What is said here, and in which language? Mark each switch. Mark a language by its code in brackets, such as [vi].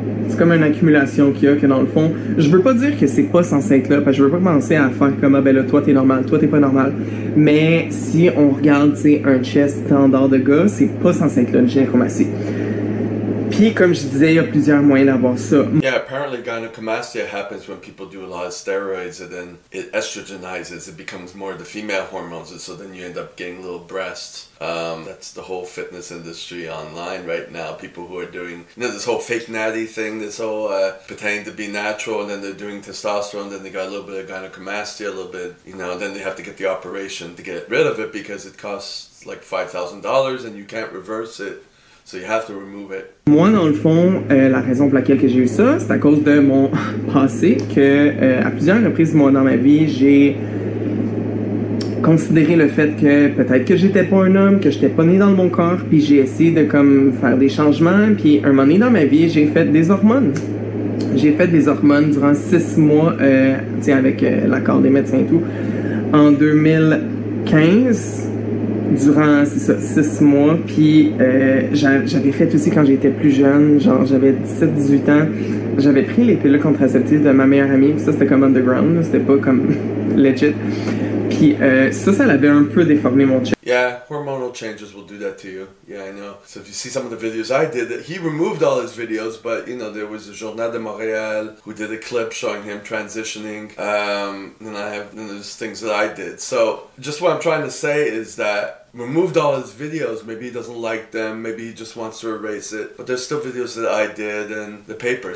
[fr] C'est comme une accumulation qu'il y a, que dans le fond... Je veux pas dire que c'est pas censé être là, parce que je veux pas commencer à faire comme « Ah ben là, toi t'es normal, toi t'es pas normal. » Mais si on regarde, tu sais, un chest standard de gars, c'est pas censé être là, une gynécomastie. Puis, comme je disais, il y a plusieurs moyens d'avoir ça. [en] Yeah, apparently gynecomastia happens when people do a lot of steroids and then it estrogenizes, it becomes more the female hormones, and so then you end up getting little breasts. That's the whole fitness industry online right now. People who are doing, you know, this whole fake natty thing, this whole pretending to be natural, and then they're doing testosterone, then they got a little bit of gynecomastia, a little bit, you know, and then they have to get the operation to get rid of it because it costs like $5,000 and you can't reverse it. So you have to remove it. [fr] Moi, dans le fond, la raison pour laquelle que j'ai eu ça, c'est à cause de mon passé que, à plusieurs reprises, moi, dans ma vie, j'ai considéré le fait que peut-être que j'étais pas un homme, que j'étais pas né dans le bon corps, puis j'ai essayé de comme faire des changements, puis un moment donné dans ma vie, j'ai fait des hormones. J'ai fait des hormones durant 6 mois, tu sais, avec l'accord des médecins et tout. En 2015, durant, c'est ça, 6 mois, puis j'avais fait aussi quand j'étais plus jeune, genre j'avais 17-18 ans, j'avais pris les pilules contraceptives de ma meilleure amie, puis ça c'était comme underground, c'était pas comme legit. Puis ça l'avait un peu déformé mon chest. [en] Yeah, hormonal changes will do that to you. Yeah, I know. So if you see some of the videos I did, he removed all his videos, but you know, there was a Journal de Montréal who did a clip showing him transitioning. And there's things that I did. So just what I'm trying to say is that removed all his videos, maybe he doesn't like them, maybe he just wants to erase it, but there's still videos that I did and the paper.